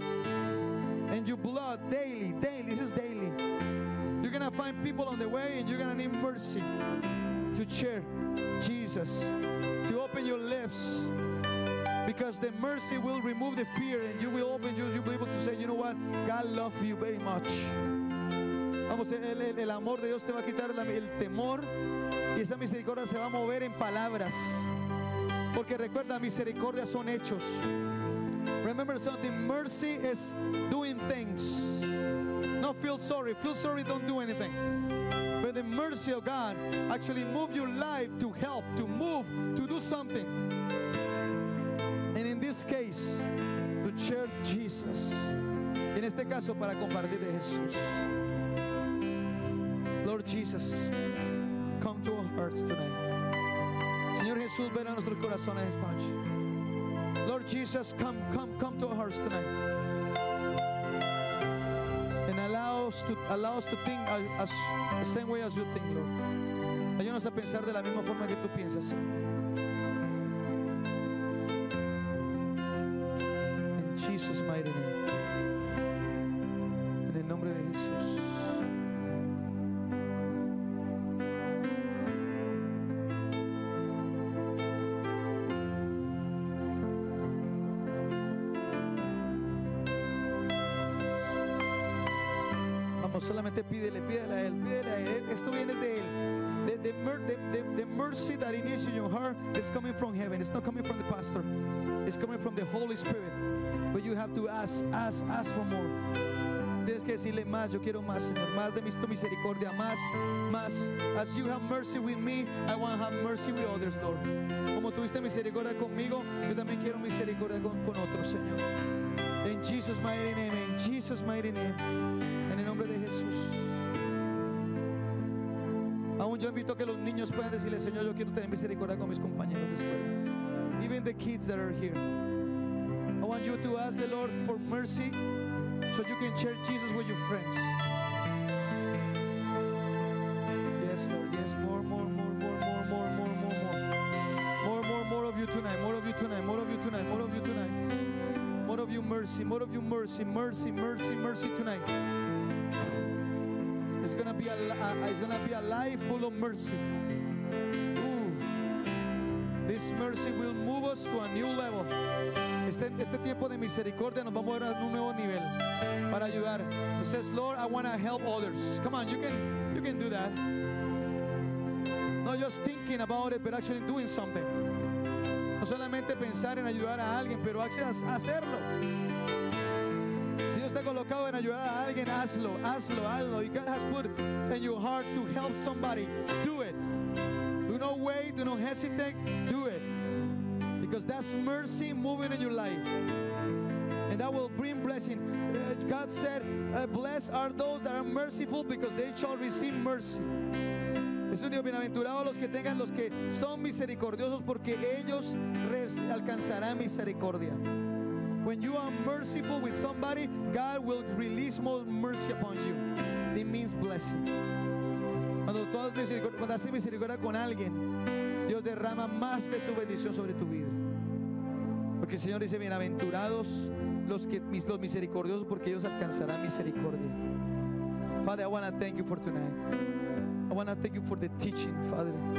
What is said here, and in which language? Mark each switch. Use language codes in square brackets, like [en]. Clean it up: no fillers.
[en] And your blood daily, daily, this is daily. You're gonna find people on the way and you're gonna need mercy to share Jesus, to open your lips, because the mercy will remove the fear and you will open, you'll be able to say, you know what, God loves you very much. [es] Vamos, el amor de Dios te va a quitar el temor y esa misericordia se va a mover en palabras. Porque recuerda, misericordia son hechos. [en] Remember something, mercy is doing things. Not feel sorry. Feel sorry, don't do anything. But the mercy of God actually move your life to help, to move, to do something. And in this case, to share Jesus. [es] En este caso, para compartir de Jesús. [en] Lord Jesus, come to our hearts tonight. [es] Señor Jesús, ven a nuestros corazones esta noche. [en] Lord Jesus, come to our hearts tonight. And allow us to think as the same way as you think, Lord. [es] Ayúdanos a pensar de la misma forma que tú piensas. [en] In Jesus' mighty name. [es] En el nombre de Jesús. Solamente pídele a él, pídele a él. Esto viene de él. [en] The mercy that initiates in your heart is coming from heaven. It's not coming from the pastor. It's coming from the Holy Spirit. But you have to ask for more. [es] Tienes que decirle más. Yo quiero más, Señor. Más de tu misericordia. Más. [en] As you have mercy with me, I want to have mercy with others, Lord. [es] Como tuviste misericordia conmigo, yo también quiero misericordia con otros, Señor. [en] In Jesus' mighty name, in Jesus' mighty name, [es] en el nombre de Jesús. Aún yo invito a que los niños puedan decirle, Señor, yo quiero tener misericordia con mis compañeros de escuela. [en] Even the kids that are here. I want you to ask the Lord for mercy so you can share Jesus with your friends. Yes, Lord, yes, more, more, more, more, more, more, more, more, more. More, more, more of you tonight, more of you tonight, more of you tonight, more of you tonight. More of you mercy, more of you mercy, mercy, mercy, mercy tonight. It's gonna be a life full of mercy. Ooh. This mercy will move us to a new level. [es] Este tiempo de misericordia nos va a mover a un nuevo nivel para ayudar. [en] It says, Lord, I want to help others. Come on, you can do that. Not just thinking about it, but actually doing something. [es] No solamente pensar en ayudar a alguien, pero hacerlo. Si Dios está colocado en ayudar a alguien, hazlo, hazlo, hazlo. [en] If God has put in your heart to help somebody, do it. Do not wait, do not hesitate, do it. Because that's mercy moving in your life. And that will bring blessing. God said, blessed are those that are merciful because they shall receive mercy. [es] Jesús dijo, bienaventurados los que son misericordiosos porque ellos alcanzarán misericordia. [en] When you are merciful with somebody, God will release more mercy upon you. It means blessing. [es] Cuando tú haces misericordia con alguien, Dios derrama más de tu bendición sobre tu vida. Porque el Señor dice, bienaventurados los misericordiosos porque ellos alcanzarán misericordia. [en] Father, I want to thank you for tonight. I want to thank you for the teaching, Father.